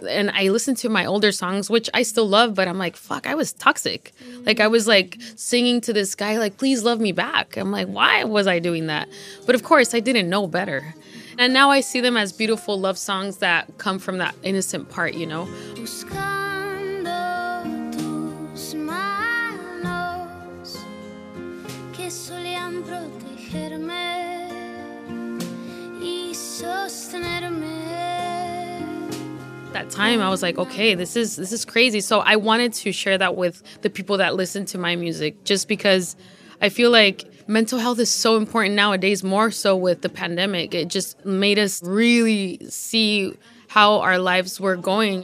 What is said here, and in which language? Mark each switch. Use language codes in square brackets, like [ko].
[en] And I listened to my older songs, which I still love, but I'm like, fuck, I was toxic. Mm-hmm. Like, I was, like, singing to this guy, like, please love me back. I'm like, why was I doing that? But, of course, I didn't know better. And now I see them as beautiful love songs that come from that innocent part, you know? [es] Buscando tus manos que solían protegerme y sostenerme. [en] That time I was like, okay, this is crazy. So I wanted to share that with the people that listen to my music just because I feel like mental health is so important nowadays, more so with the pandemic. It just made us really see how our lives were going.